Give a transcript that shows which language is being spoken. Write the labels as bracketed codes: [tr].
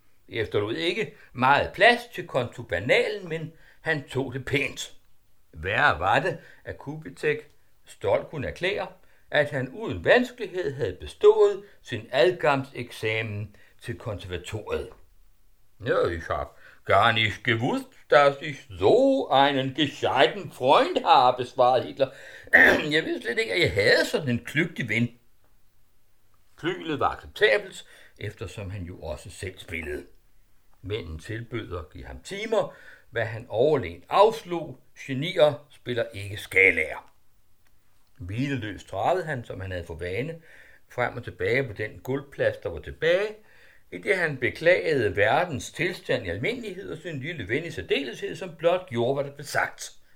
[da] Det efterlod ikke meget plads til kontubernalen, men han tog det pænt. Værre var det, at Kubitschek stolt kunne erklære, at han uden vanskelighed havde bestået sin adgangseksamen til konservatoriet. [de] Ja, ich hab gar nicht gewusst, dass ich so einen gescheiten Freund habe, [da] svarede Hitler. Jeg vidste slet ikke, at jeg havde sådan en klygtig ven. Flyglet var acceptabelt, eftersom han jo også selv spillede. Mænden tilbød at give ham timer, hvad han overlegent afslog. Genier spiller ikke skalaer. Hvileløst travede han, som han havde for vane, frem og tilbage på den guldplads, der var tilbage, i det han beklagede verdens tilstand i almindelighed og sin lille ven i særdeleshed, som blot gjorde, hvad der blev sagt.